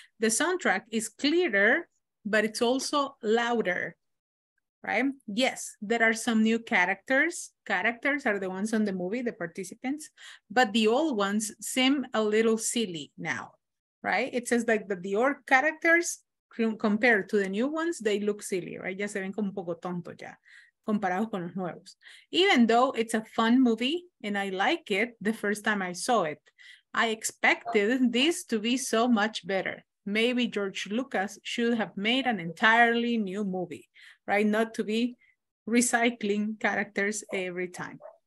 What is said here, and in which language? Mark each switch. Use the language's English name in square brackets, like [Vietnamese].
[English] The soundtrack is clearer, but it's also louder, right? Yes, there are some new characters. Characters are the ones on the movie, the participants, but the old ones seem a little silly now, right? It says like that the old characters compared to the new ones, they look silly, right? [Spanish] Ya se ven como un poco tonto ya, comparados con los nuevos. [English] Even though it's a fun movie and I like it the first time I saw it, I expected this to be so much better. Maybe George Lucas should have made an entirely new movie, right? Not to be recycling characters every time.